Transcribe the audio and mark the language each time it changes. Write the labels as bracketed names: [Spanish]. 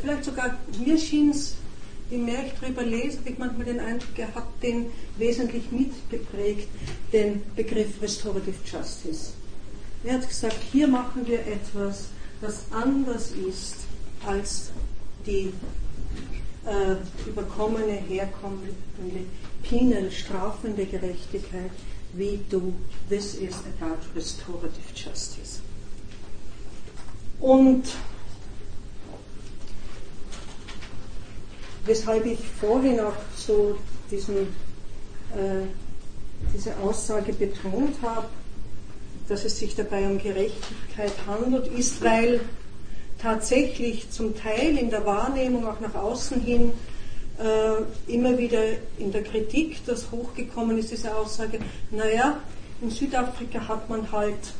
[German] Vielleicht sogar, mir schien es, je mehr ich darüber lese, habe ich manchmal den Eindruck gehabt, den wesentlich mitgeprägt, den Begriff Restorative Justice. Er hat gesagt, hier machen wir etwas, das anders ist als die überkommene, herkommende, penal strafende Gerechtigkeit. [English] We do this is about restorative justice. [German] Und weshalb ich vorhin auch so diese Aussage betont habe, dass es sich dabei um Gerechtigkeit handelt, ist, weil tatsächlich zum Teil in der Wahrnehmung auch nach außen hin immer wieder in der Kritik das hochgekommen ist, diese Aussage, naja, in Südafrika hat man halt